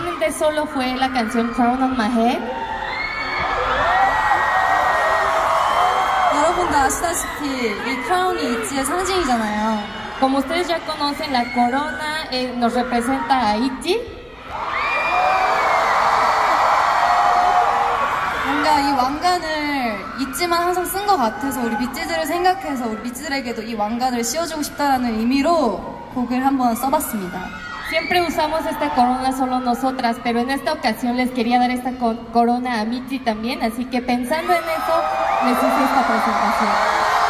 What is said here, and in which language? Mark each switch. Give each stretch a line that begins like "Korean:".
Korean: 솔로 후에
Spanish: la canción
English: Crown on my head.
Korean: 여러분도 아시다시피 이 크라운이 있지의 상징이잖아요.
Spanish: Como ustedes ya conocen, la corona nos representa a Itzy.
Korean: 뭔가 이 왕관을 있지만 항상 쓴 것 같아서 우리 빛지들을 생각해서 우리 빛지들에게도 이 왕관을 씌워주고 싶다라는 의미로 곡을 한번 써봤습니다.
Spanish: Siempre usamos esta corona solo nosotras, pero en esta ocasión les quería dar esta corona a Michi también, así que pensando en eso, les hice esta presentación.